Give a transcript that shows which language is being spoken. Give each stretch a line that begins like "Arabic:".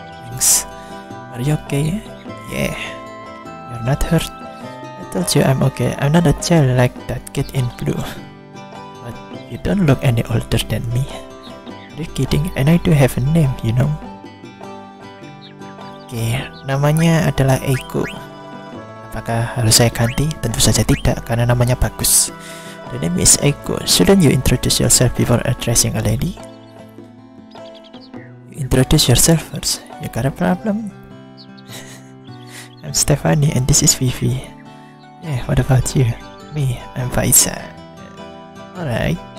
English: Thanks. Are you okay? Yeah. You're not hurt? I told you I'm okay. I'm not a child like that kid in blue. But you don't look any older than me. Are you kidding? And I do have a name, you know?
Indonesian: Okay, namanya adalah Eiko. Apakah harus saya ganti? Tentu saja tidak, karena namanya bagus.
English: The name is Eiko. Shouldn't you introduce yourself before addressing a lady? You introduce yourself first. You got a problem? I'm Stephanie and this is Vivi. Yeah, what about you? Me, I'm Faihza. Alright.